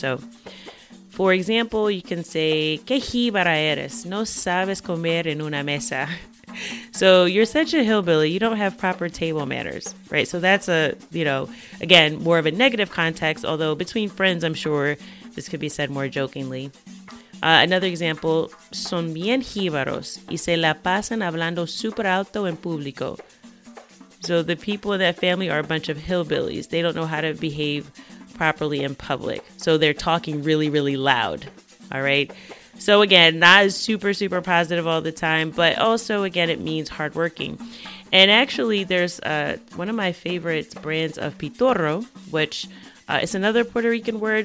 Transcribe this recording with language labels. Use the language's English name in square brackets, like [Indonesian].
[English] So, for example, you can say, [Spanish] ¿qué jíbara eres? No sabes comer en una mesa. [English] So, you're such a hillbilly, you don't have proper table manners, right? So, that's a, you know, again, more of a negative context, although between friends, I'm sure this could be said more jokingly. Another example, [Spanish] son bien jíbaros y se la pasan hablando super alto en público. [English] So the people in that family are a bunch of hillbillies. They don't know how to behave properly in public. So they're talking really, really loud. All right. So again, not super, super positive all the time. But also, again, it means hardworking. And actually, there's one of my favorite brands of pitorro, which is another Puerto Rican word.